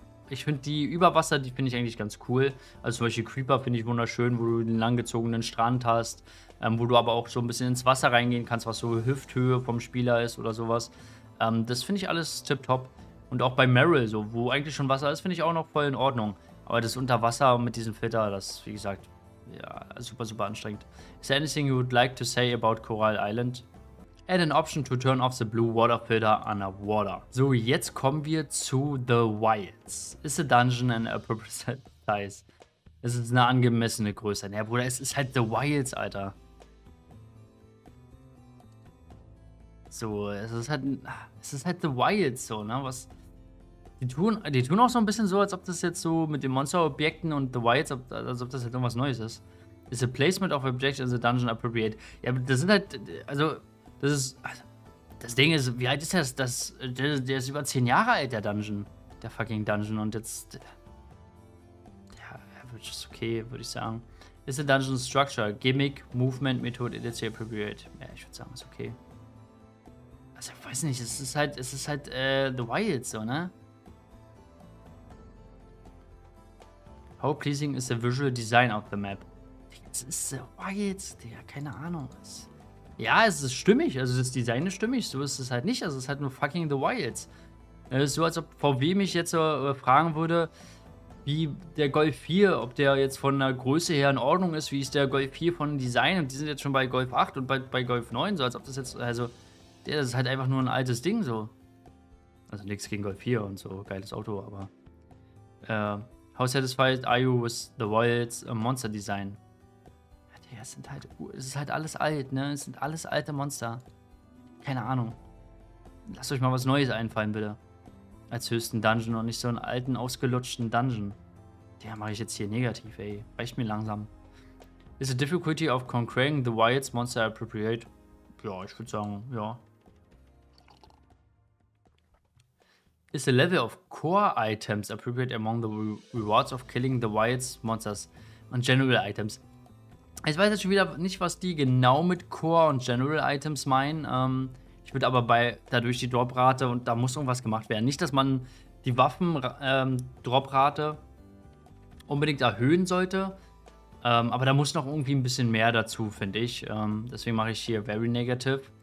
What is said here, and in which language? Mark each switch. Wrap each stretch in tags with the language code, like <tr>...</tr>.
<de>Ich finde die Überwasser, die finde ich eigentlich ganz cool. Also zum Beispiel Creeper finde ich wunderschön, wo du den langgezogenen Strand hast, wo du aber auch so ein bisschen ins Wasser reingehen kannst, was so Hüfthöhe vom Spieler ist oder sowas. Das finde ich alles tipptopp. Und auch bei Meryl, so, wo eigentlich schon Wasser ist, finde ich auch noch voll in Ordnung. Aber das Unterwasser mit diesem Filter, das ist, wie gesagt, ja, super, super anstrengend.</de> <en>Is there anything you would like to say about Coral Island? Add an option to turn off the blue water filter underwater.</en> <de>So, jetzt kommen wir zu The Wilds.</de> <en>Is the dungeon an appropriate size?</en> <de>Es ist eine angemessene Größe. Ja, Bruder, es ist halt The Wilds, Alter. So, es ist halt The Wilds, so, ne? Was? Die tun auch so ein bisschen so, als ob das jetzt so mit den Monsterobjekten und The Wilds, als ob das halt irgendwas Neues ist.</de> <en>Is the placement of objects in the dungeon appropriate?</en> <de>Ja, das sind halt, also, das Ding ist, wie alt ist das? Der ist über 10 Jahre alt, der Dungeon. Der fucking Dungeon. Und jetzt, ja, average ist okay, würde ich sagen. Ist der Dungeon Structure, Gimmick, Movement, Method, etc. appropriate? Ja, ich würde sagen, ist okay. Also, ich weiß nicht, es ist halt, The Wild, so, ne?</de> <en>How pleasing is the visual design of the map?</en> <de>Das ist The Wild, der, keine Ahnung. Ja, es ist stimmig, also das Design ist stimmig, so ist es halt nicht, also es ist halt nur fucking The Wilds. Es ist so, als ob VW mich jetzt so fragen würde, wie der Golf 4, ob der jetzt von der Größe her in Ordnung ist, wie ist der Golf 4 von Design, und die sind jetzt schon bei Golf 8 und bei Golf 9, so als ob das jetzt, also, das ist halt einfach nur ein altes Ding, so. Also nichts gegen Golf 4 und so, geiles Auto, aber.</de> <en>How satisfied are you with the Royals Monster Design?</en> <de>Ja, Digga, es sind halt. Es ist halt alles alt, ne? Es sind alles alte Monster. Keine Ahnung. Lasst euch mal was Neues einfallen, bitte. Als höchsten Dungeon und nicht so einen alten, ausgelutschten Dungeon. Der mache ich jetzt hier negativ, ey. Reicht mir langsam.</de> <en>Is the difficulty of conquering the Wilds Monster appropriate?</en> <de>Ja, ich würde sagen, ja.</de> <en>Is the level of core items appropriate among the rewards of killing the Wilds Monsters and general items?</en> <de>Ich weiß jetzt schon wieder nicht, was die genau mit Core und General Items meinen. Ich würde aber bei dadurch die Droprate und da muss irgendwas gemacht werden. Nicht, dass man die Waffen-Droprate unbedingt erhöhen sollte. Aber da muss noch irgendwie ein bisschen mehr dazu, finde ich. Deswegen mache ich hier</de> <en>very negative.</en>